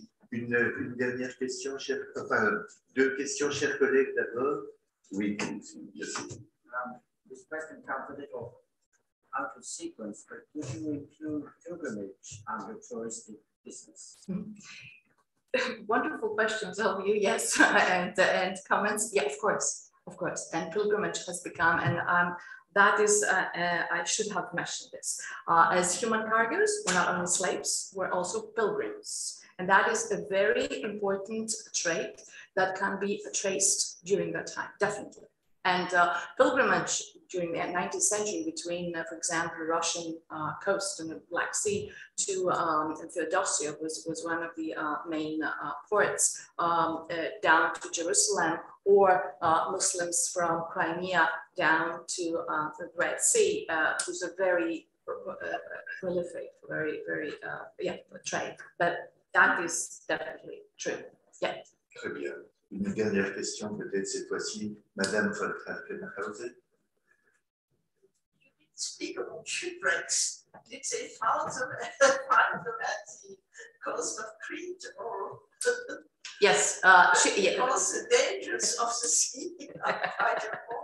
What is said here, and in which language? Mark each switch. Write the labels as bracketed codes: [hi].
[fr] Une dernière question, cher, enfin, deux questions, chers collègues, d'abord. Oui, merci. [en] This question comes a little out of sequence, but would you include pilgrimage under touristic business? Wonderful questions, all of you, yes, and comments. Yeah, of course, and pilgrimage has become, and that is, I should have mentioned this. As human cargoes, we're not only slaves, we're also pilgrims. And that is a very important trait that can be traced during that time, definitely. And pilgrimage during the 19th century between, for example, Russian coast and the Black Sea to Theodosia was one of the main ports down to Jerusalem, or Muslims from Crimea down to the Red Sea, was a very prolific, very, very, yeah, trade. But that is definitely true. Yeah. [fr] Très bien. Une dernière question, peut-être cette fois-ci, Madame von Trappenhausen. [en] You didn't speak about shipwrecks. Did they found them at the coast of Crete or? Yes. Yeah. Because the dangers of the sea are quite important.